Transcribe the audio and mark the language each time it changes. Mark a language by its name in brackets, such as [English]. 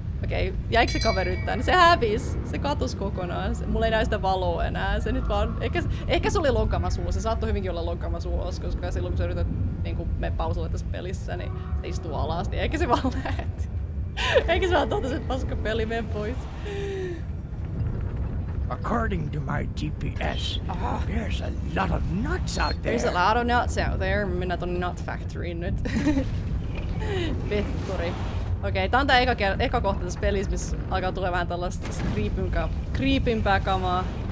[Finnish] Okei, jäikö se kaveri tänne? Se hävis. Se katosi kokonaan. Mulla ei näy sitä valoa enää. Se nyt vaan... Ehkä se oli lonkaamassa ulos. Se saattoi hyvinkin olla lonkaamassa ulos, koska silloin kun sä yrität niin kun mennä pausalle tässä pelissä, niin se istuu alas, niin ehkä se vaan lähti. Ehkä se vaan totesi, että paska peli, mene pois. [English] According to my GPS, there's a lot of nuts out there. There's a lot of nuts out there. [Finnish] Mennään tonne nut factoryin nyt. Vetturi. Okei, tää on tää eka kohta tässä pelissä, missä alkaa tulla vähän tällaista creepimpää kamaa.